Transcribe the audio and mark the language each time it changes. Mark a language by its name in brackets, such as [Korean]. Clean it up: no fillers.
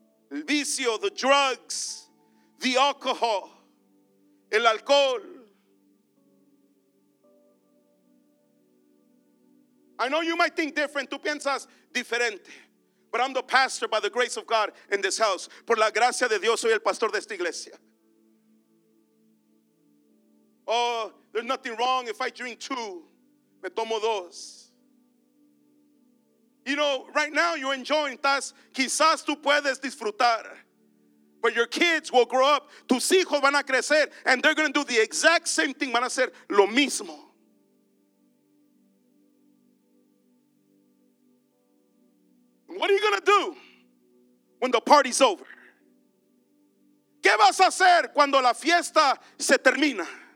[Spanish] El vicio, [English] the drugs, the alcohol, [Spanish] el alcohol. [English] I know you might think different. [Spanish] Tú piensas diferente. [English] But I'm the pastor by the grace of God in this house. [Spanish] Por la gracia de Dios soy el pastor de esta iglesia. [English] Oh, there's nothing wrong if I drink two. [Spanish] Me tomo dos. [English] You know, right now you're enjoying, [Spanish] estás, quizás tú puedes disfrutar, [English] but your kids will grow up, [Spanish] tus hijos van a crecer, [English] and they're going to do the exact same thing, [Spanish] van a hacer lo mismo. [English] What are you going to do when the party's over? [Spanish] ¿Qué vas a hacer cuando la fiesta se termina?